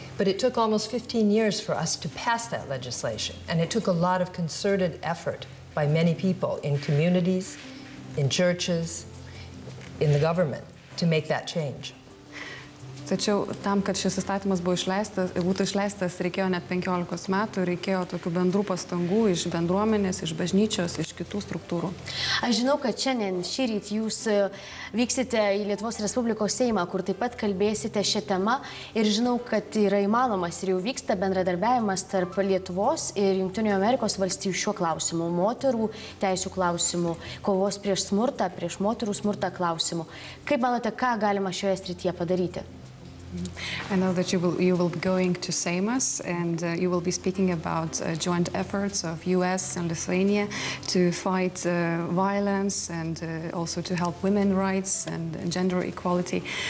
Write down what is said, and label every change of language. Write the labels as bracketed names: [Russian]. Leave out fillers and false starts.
[English] But it took almost 15 years for us to pass that legislation, and it took a lot of concerted effort by many people in communities, in churches, in the government to make that change. [Lithuanian] Tačiau tam, kad šis įstatymas būtų išleistas, reikėjo net 15 metų, reikėjo tokių bendrų pastangų iš bendruomenės, iš bažnyčios, iš kitų struktūrų. Aš žinau, kad šiandien, šį ryt, jūs vyksite į Lietuvos Respublikos Seimą, kur taip pat kalbėsite šią temą, ir žinau, kad yra įmanomas ir jau vyksta bendradarbiavimas tarp Lietuvos ir Jungtinių Amerikos valstijų šiuo klausimu, moterų teisių klausimu, kovos prieš smurtą, prieš moterų smurtą klausimu. Kaip manote, ką galima šioje srityje padaryti? [English] I know that you will be going to Seimas, and you will be speaking about joint efforts of U.S. and Lithuania to fight violence and also to help women rights and gender equality.